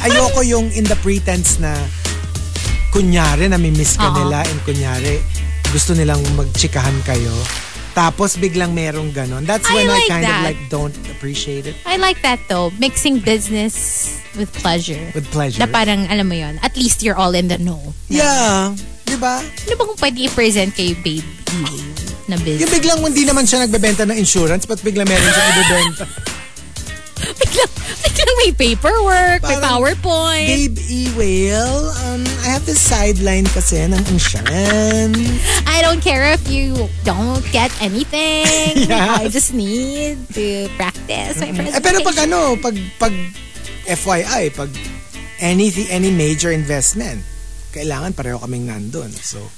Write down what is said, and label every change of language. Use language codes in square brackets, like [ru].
[tl] Ayoko yung [en] in the pretense [tl] na kunyari, nami-miss ka nila, and kunyari, gusto nilang mag-chikahan kayo. Tapos biglang merong ganun. [en] That's when I kind of like don't appreciate it. I like that though. Mixing business with pleasure. With pleasure. [tl] Na parang, alam mo yon. [en] At least you're all in the know. Yeah. [tl] Diba? Ano ba kung pwede i-present kay baby na business? Yung biglang hindi naman siya nagbebenta ng insurance but biglang meron siya ibebenta. Biglang may paperwork, parang, may PowerPoint. [en] Babe E. Whale, I have this sideline [tl] kasi ng [en] insurance. I don't care if you don't get anything. Yeah. I just need to practice my presentation. [tl] Pero pag ano, pag FYI, pag [en] any major investment, [tl] kailangan pareho kaming nandun. So.